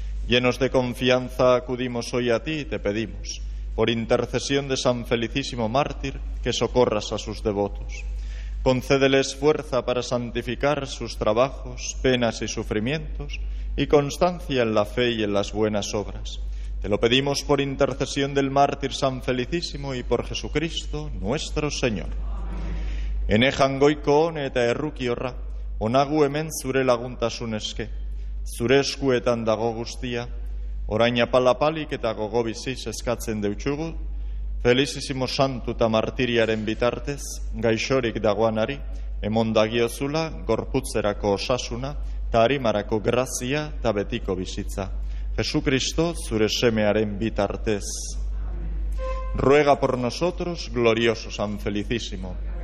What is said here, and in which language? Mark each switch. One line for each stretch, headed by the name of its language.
Spanish: Llenos de confianza, acudimos hoy a ti y te pedimos, por intercesión de San Felicísimo Mártir, que socorras a sus devotos. Concédeles fuerza para santificar sus trabajos, penas y sufrimientos, y constancia en la fe y en las buenas obras. Te lo pedimos por intercesión del mártir San Felicísimo y por Jesucristo nuestro Señor. Amén.
Basque: Enejan goiko on eta erruki horra, onagu hemen zure laguntasun eske, zure eskuetan dago guztia, orain apalapalik eta gogo biziz eskatzen deutxugu, Felicísimo santu ta martiriaren bitartez, gaixorik dagoanari, emondagiozula gorputzerako osasuna, tarimarako grazia eta betiko bizitza. Jesucristo, zure semearen bitartez.
Spanish: Ruega por nosotros, glorioso San Felicísimo.